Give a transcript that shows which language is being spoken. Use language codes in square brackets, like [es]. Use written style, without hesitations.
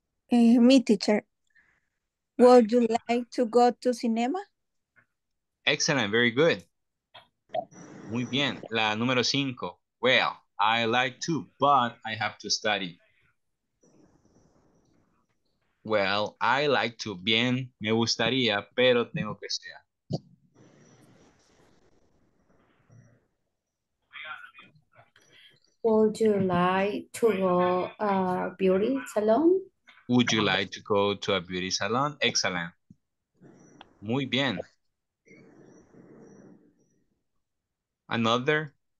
[en] Me teacher, would you like to go to cinema? Excellent, very good. [es] Muy bien, la número cinco. [en] Well, I like to, but I have to study. Well, I like to, [es] bien, me gustaría, pero tengo que estudiar. [en] Would you like to go a beauty salon? Would you like to go to a beauty salon? [es] Excellent. Muy bien. [en] Another?